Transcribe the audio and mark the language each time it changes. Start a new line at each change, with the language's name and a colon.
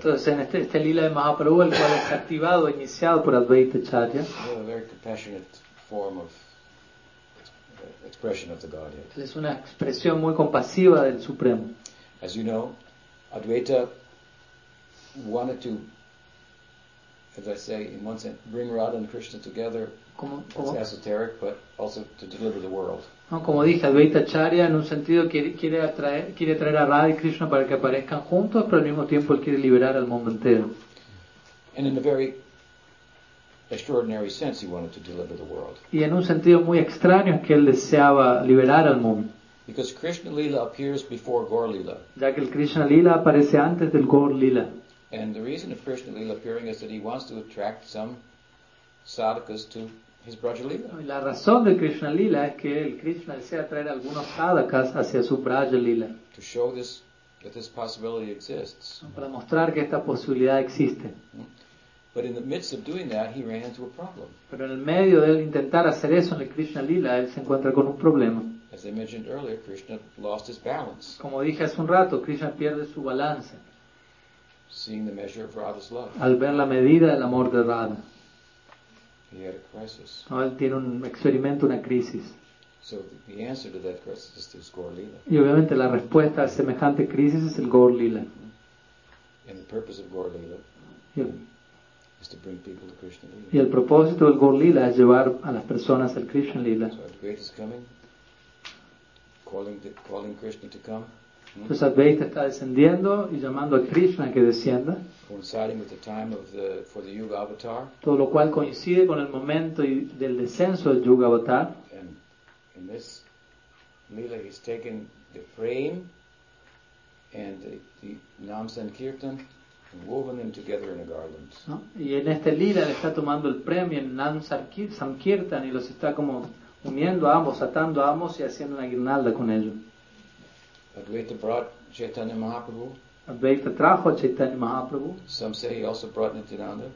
Spanish: Entonces en este lila de Mahaprabhu, el cual es activado, iniciado por Advaita Charya.
English: A very compassionate form of expression of the Godhead.
Spanish: Es una expresión muy compasiva del Supremo.
English: As you know, Advaita wanted to, as I say, in one sense, bring Radha and Krishna together.
Spanish: ¿Cómo?
English: It's esoteric, but also to deliver the world.
Spanish: No, como dije, Advaita Charya en un sentido quiere traer a Radha y Krishna para que aparezcan juntos, pero al mismo tiempo él quiere liberar al mundo entero.
English: And in a very extraordinary sense, he wanted to deliver the world.
Spanish: Y en un sentido muy extraño es que él deseaba liberar al mundo.
English: Because Krishna Lila appears before Gaur Lila.
Spanish: Ya que el Krishna Lila aparece antes del Gaur Lila.
English: And the reason of Krishna Lila appearing is that he wants to attract some sadhakas to his Braja Lila.
Spanish: La razón de Krishna Lila es que el Krishna desea traer algunos sadhakas hacia su Braja Lila.
English: To show this, that this possibility exists.
Spanish: Para mostrar que esta posibilidad existe.
English: But in the midst of doing that, he ran into a problem.
Spanish: Pero en el medio de él intentar hacer eso en el Krishna Lila, él se encuentra con un problema.
English: As I mentioned earlier, Krishna lost his balance.
Spanish: Como dije hace un rato, Krishna pierde su balance.
English: Seeing the measure of Radha's love.
Spanish: Al ver la medida del amor de Radha.
English: He had a crisis.
Spanish: No, él tiene un experimento, una crisis.
English: So the answer to that crisis is this Gaur Lila.
Spanish: Y obviamente la respuesta a semejante crisis es el Gaur Lila.
English: And the purpose of Gaur Lila. Is to bring people to Krishna Lila.
Spanish: Y el propósito del Gaur Lila es llevar a las personas al Krishna Lila.
English: So Advaita is coming. Calling Krishna to come.
Spanish: Entonces Advaita está descendiendo y llamando a Krishna que descienda.
English: Coinciding with the time of for the Yuga Avatar.
Spanish: Todo lo cual coincide con el momento del descenso del Yuga Avatar.
English: And in this lila, he's taken the frame and the Nam Sankirtan and woven them together in a garland.
Spanish: ¿No? Y en este lila le está tomando el premio en Nam Sankirtan y los está como uniendo a ambos, atando a ambos y haciendo una guirnalda con ellos.
English: Advaita brought Chaitanya Mahaprabhu.
Spanish: Advaita trajo a Chaitanya Mahaprabhu.
English: Some say he also brought Nityananda.